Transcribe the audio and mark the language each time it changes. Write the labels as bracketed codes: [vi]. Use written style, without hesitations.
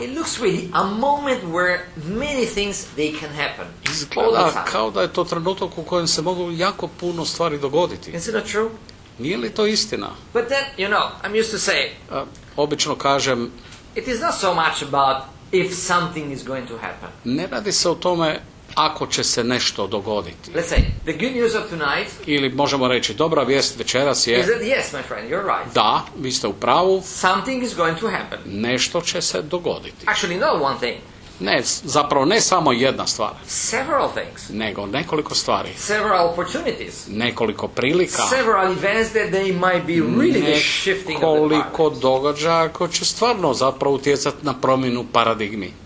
[en] It looks really a moment where many things they can happen. [hr] Izgleda kao da je to trenutak u kojem se mogu jako puno stvari dogoditi. [en] Is it not true? [hr] Nije li to istina? [en] But then, you know, I'm used to say, [hr] obično kažem, [en] it is not so much about if something is going to happen. [hr] Ne radi se o tome ako će se nešto dogoditi. [en] Let's say, the good news of tonight, [hr] ili možemo reći, dobra vijest večeras je, [en] is that, yes, my friend, you're right. [hr] Da, vi ste u pravu. [en] Something is going to happen. [hr] Nešto će se dogoditi. [en] Actually, not one thing. [hr] Ne, zapravo ne samo jedna stvar. [en] Several things. [hr] Nego nekoliko stvari. [en] Several opportunities. [hr] Nekoliko prilika. [en] Several events that they might be really the shifting of the paradigm. [hr] Nekoliko događaja koje će stvarno zapravo utjecati na promjenu paradigmi.